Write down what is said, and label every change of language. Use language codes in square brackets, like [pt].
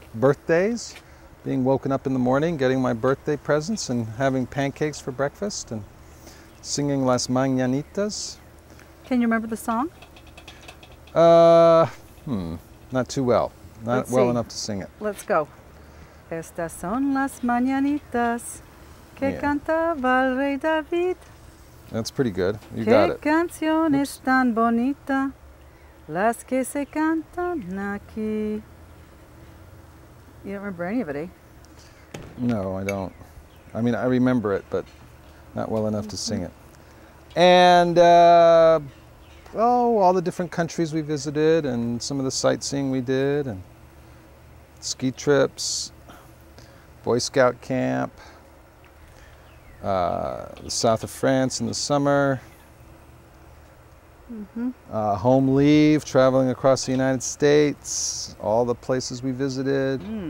[en] Birthdays, being woken up in the morning, getting my birthday presents and having pancakes for breakfast and singing Las Mañanitas. Can you remember the song? Not too well. Not well enough to sing it. Let's go. [es] Estas son las mañanitas que cantaba el rey David. [en] That's pretty good. You got it. [es] Qué canciones tan bonita las que se cantan aquí. [en] You don't remember any of it, eh? No, I don't. I mean, I remember it, but not well enough to sing it. And, all the different countries we visited and some of the sightseeing we did and ski trips, Boy Scout camp, the south of France in the summer, home leave, traveling across the United States, all the places we visited.